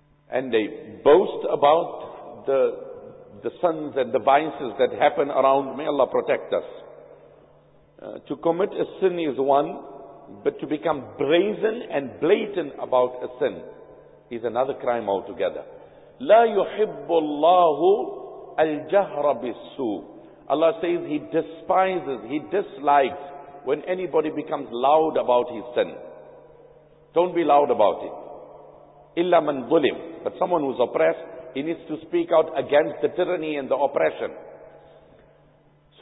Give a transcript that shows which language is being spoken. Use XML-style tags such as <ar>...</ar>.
<en>And they boast about the sins and the vices that happen around. May Allah protect us. To commit a sin is one, but to become brazen and blatant about a sin is another crime altogether.</en> <ar>لا يحب الله الجهر بالسوء.</ar> <en>Allah says He despises, He dislikes when anybody becomes loud about his sin. Don't be loud about it.</en> <ar>إلا من ظلم.</ar> <en>But someone who's oppressed, he needs to speak out against the tyranny and the oppression. So</en>